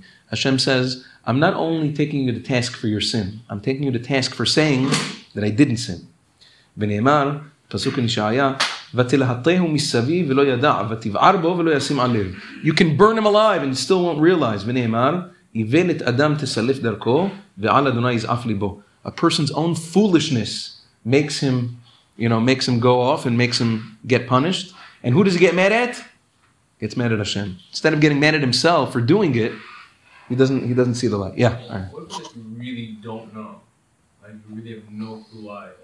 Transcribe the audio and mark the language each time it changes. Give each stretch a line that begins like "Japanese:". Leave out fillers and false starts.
English: Hashem says, I'm not only taking you to task for your sin, I'm taking you to task for saying that I didn't sin.
Hebrew: ונאמר, פסוק נשעיה, ותלהטהו מסביב ולא ידע, ותבער בו ולא ישים עליו.
English: You can burn him alive and still won't realize.
Hebrew: ונאמר, איוולת אדם תסלף דרכו, ועל אדוני יזעף ליבו.
English: A person's own foolishness makes him, you know, makes him go off and makes him get punished. And who does he get mad at? Gets mad at Hashem. Instead of getting mad at himself for doing it, he doesn't see the light. Yeah. What if you really don't know? Like, you really have no clue why.